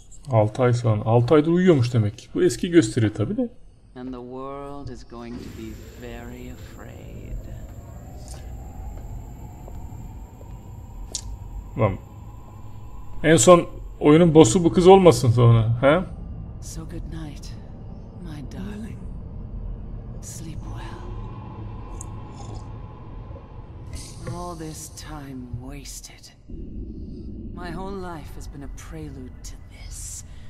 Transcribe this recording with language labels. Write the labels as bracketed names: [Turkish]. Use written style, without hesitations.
[Turkish] Altı ay sonra. Altı ayda uyuyormuş demek ki. Bu eski gösteriyor tabi de. [English] And the world is going to be very afraid. [Turkish] Tamam. En son oyunun bossu bu kız olmasın sonra, he? [English] So good night, my darling. Sleep well. All this time wasted. My whole life has been a prelude to this.